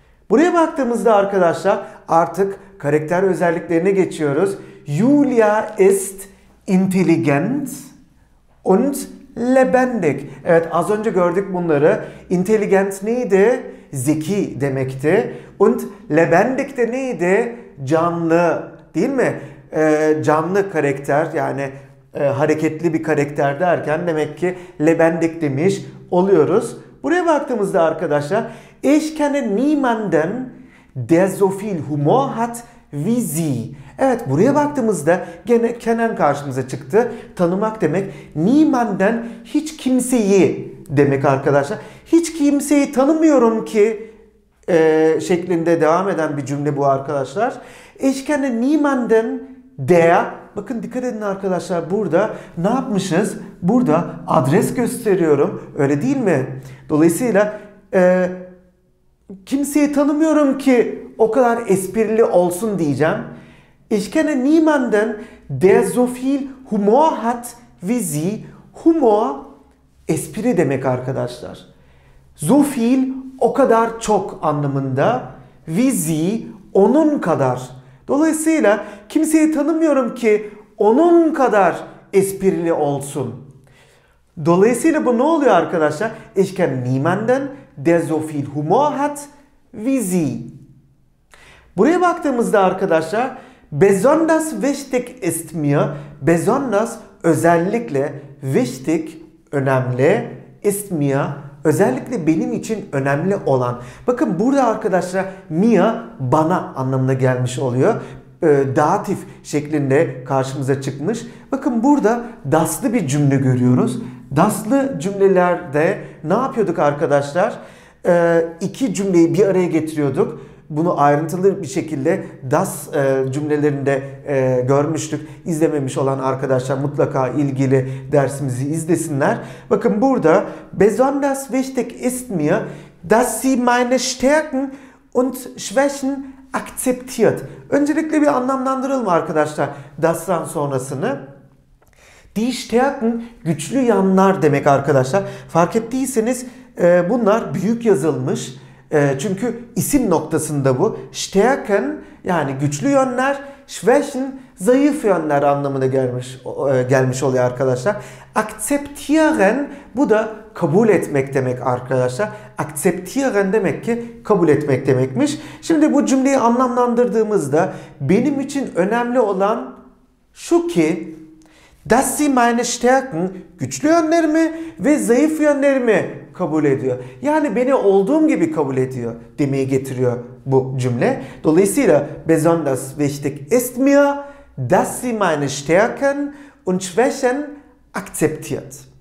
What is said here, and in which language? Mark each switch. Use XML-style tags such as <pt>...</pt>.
<tr>Buraya baktığımızda arkadaşlar artık karakter özelliklerine geçiyoruz.</tr> <de>Julia ist intelligent und lebendig.</de> <tr>Evet az önce gördük bunları. Intelligent neydi? Zeki demekti.</tr> <de>Und lebendig</de> <tr>de neydi? Canlı değil mi? Canlı karakter yani hareketli bir karakter derken demek ki lebendig demiş oluyoruz. Buraya baktığımızda arkadaşlar</tr> <de>ich kenne niemanden der so viel Humor hat wie sie.</de> <tr>Evet buraya baktığımızda gene kenen karşımıza çıktı. Tanımak demek niemanden hiç kimseyi demek arkadaşlar. Hiç kimseyi tanımıyorum ki şeklinde devam eden bir cümle bu arkadaşlar.</tr> <de>Ich kenne niemanden der.</de> <tr>Bakın dikkat edin arkadaşlar burada ne yapmışız? Burada adres gösteriyorum öyle değil mi? Dolayısıyla kimseyi tanımıyorum ki o kadar esprili olsun diyeceğim.</tr> <de>Ich kenne niemanden der so viel Humor hat wie sie.</de> <tr>Humor espri demek arkadaşlar.</tr> <de>So viel</de> <tr>o kadar çok anlamında.</tr> <de>Wie sie</de> <tr>onun kadar. Dolayısıyla kimseyi tanımıyorum ki onun kadar esprili olsun. Dolayısıyla bu ne oluyor arkadaşlar?</tr> <de>Ich kenne niemanden der so viel Humor hat wie sie.</de> <tr>Buraya baktığımızda arkadaşlar</tr> <de>besonders wichtig ist mir,</de> <tr>besonders özellikle wichtig önemli ist mir, özellikle benim için önemli olan. Bakın burada arkadaşlar mir bana anlamına gelmiş oluyor. Datif şeklinde karşımıza çıkmış. Bakın burada daslı bir cümle görüyoruz. Daslı cümlelerde ne yapıyorduk arkadaşlar? İki cümleyi bir araya getiriyorduk. Bunu ayrıntılı bir şekilde das cümlelerinde görmüştük. İzlememiş olan arkadaşlar mutlaka ilgili dersimizi izlesinler. Bakın burada</tr> <de>besonders wichtig ist mir, dass sie meine Stärken und Schwächen akzeptiert.</de> <tr>Öncelikle bir anlamlandıralım arkadaşlar das'tan sonrasını. Die Stärken güçlü yanlar demek arkadaşlar. Fark ettiyseniz bunlar büyük yazılmış. Çünkü isim noktasında bu. Stärken yani güçlü yönler, Schwächen zayıf yönler anlamına gelmiş oluyor arkadaşlar. Akzeptieren bu da kabul etmek demek arkadaşlar. Akzeptieren demek ki kabul etmek demekmiş. Şimdi bu cümleyi anlamlandırdığımızda benim için önemli olan şu ki</tr> <de>Das sie meine Stärken,</de> <tr>güçlü yönlerimi ve zayıf yönlerimi kabul ediyor. Yani beni olduğum gibi kabul ediyor demeyi getiriyor bu cümle. Dolayısıyla</tr> <de>besonders wichtig ist mir, dass sie meine Stärken und Schwächen akzeptiert.</de>